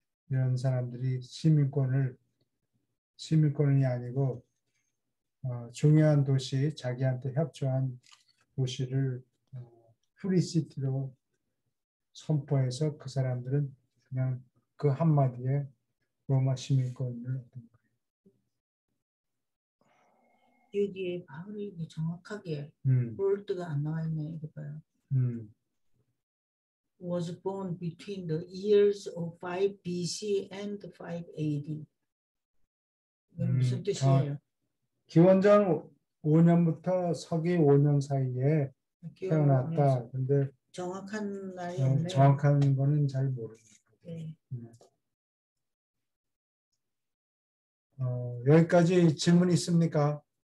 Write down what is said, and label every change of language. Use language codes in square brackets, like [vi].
[ko] 이런 사람들이 시민권이 아니고 중요한 도시 자기한테 협조한 도시를 프리시티로 선포해서 그 사람들은 그냥 그 한마디에 로마 시민권을 얻은 거예요. 여기에 바울이 정확하게 볼드가 안 나와 있네 이거 봐요. [en] Was born between the years of 5 BC and 5 AD. [ko] 무슨 뜻이에요? 기원전 5년부터 서기 5년 사이에 태어났다. 근데 정확한 나이는 정확한 거는 잘 모르겠어요. 네. 여기까지 질문 있습니까?